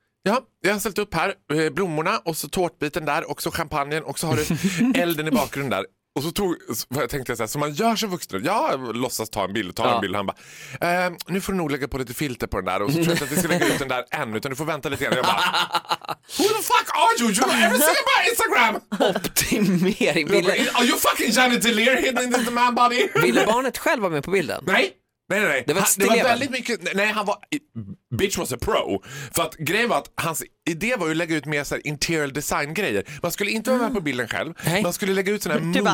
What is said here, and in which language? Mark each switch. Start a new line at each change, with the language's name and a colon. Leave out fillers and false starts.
Swedish: Ja, jag har ställt upp här blommorna och så tårtbiten där och så champagnen och så har du elden i bakgrunden där. Och så tog, jag tänkte jag så här, så man gör som vuxen. Jag låtsas ta en bild, en bild. Han bara, nu får du nog lägga på lite filter på den där. Och så tror jag inte att vi ska lägga ut den där än, utan du får vänta lite grann. Jag bara,
English: who the fuck are you? You have ever seen my Instagram?
Swedish: Optimering.
English: Are you fucking Janet Delir hidden in the man body?
Swedish: Ville barnet själv vara med på bilden? Nej. Det var väldigt mycket, nej han var,
English: bitch was a pro.
Swedish: För att grejen var att hans idé var ju att lägga ut mer såhär interior design grejer. Man skulle inte vara med på bilden själv. Nej. Man skulle lägga ut såna här mood grejer.